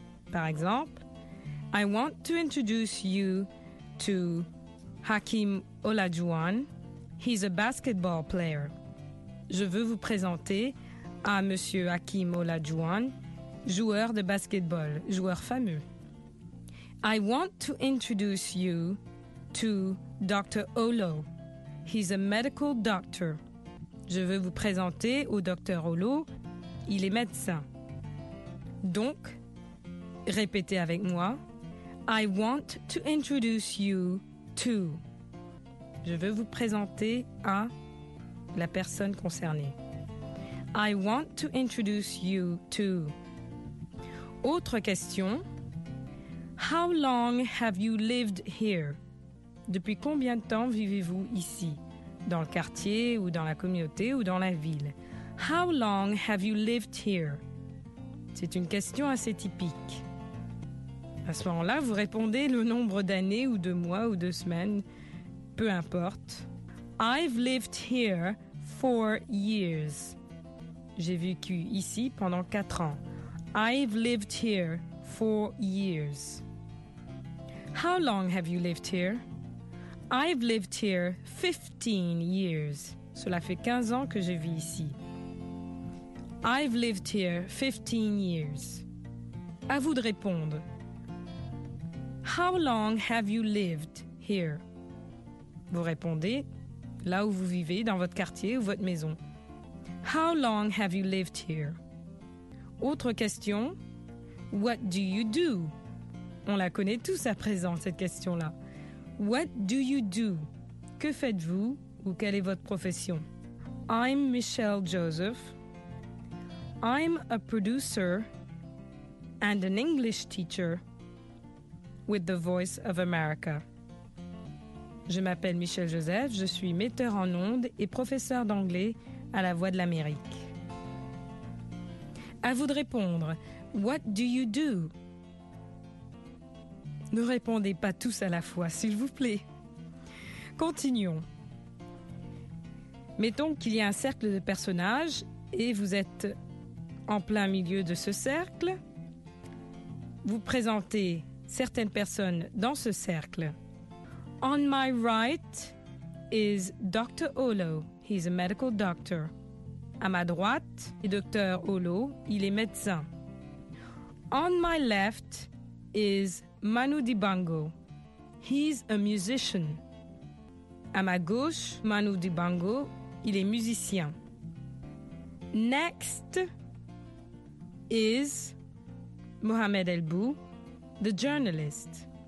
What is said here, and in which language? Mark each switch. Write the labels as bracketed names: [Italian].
[French] Par exemple, [English] « I want to introduce you to Hakeem Olajuwon. He's a basketball player. [French] » Je veux vous présenter à Monsieur Hakeem Olajuwon, joueur de basketball, joueur fameux. [English] I want to introduce you to Dr. Olo. He's a medical doctor. [French] Je veux vous présenter au Dr. Olo. Il est médecin. Donc, répétez avec moi. [English] I want to introduce you to. [French] Je veux vous présenter à la personne concernée. [English] I want to introduce you to. [French] Autre question. [English] How long have you lived here? [French] Depuis combien de temps vivez-vous ici? Dans le quartier ou dans la communauté ou dans la ville? [English] How long have you lived here? [French] C'est une question assez typique. À ce moment-là, vous répondez le nombre d'années ou de mois ou de semaines. Peu importe. [English] I've lived here 4 years. [French] J'ai vécu ici pendant 4 ans. [English] I've lived here 4 years. How long have you lived here? I've lived here 15 years. [French] Cela fait 15 ans que je vis ici. [English] I've lived here 15 years. [French] À vous de répondre. [English] How long have you lived here? [French] Vous répondez là où vous vivez, dans votre quartier ou votre maison. [English] How long have you lived here? [French] Autre question. [English] What do you do? [French] On la connaît tous à présent, cette question-là. [English] What do you do? [French] Que faites-vous ou quelle est votre profession? [English] I'm Michelle Joseph. I'm a producer and an English teacher with the Voice of America. [French] Je m'appelle Michelle Joseph. Je suis metteur en ondes et professeur d'anglais à la Voix de l'Amérique. À vous de répondre. [English] What do you do? [French] Ne répondez pas tous à la fois, s'il vous plaît. Continuons. Mettons qu'il y a un cercle de personnages et vous êtes en plein milieu de ce cercle. Vous présentez certaines personnes dans ce cercle. [English] On my right is Dr. Olo. He's a medical doctor. [French] À ma droite est Dr. Olo. Il est médecin. [English] On my left is Manu Dibango. He's a musician. [French] À ma gauche, Manu Dibango, il est musicien. [English] Next is Mohamed Elbou, the journalist.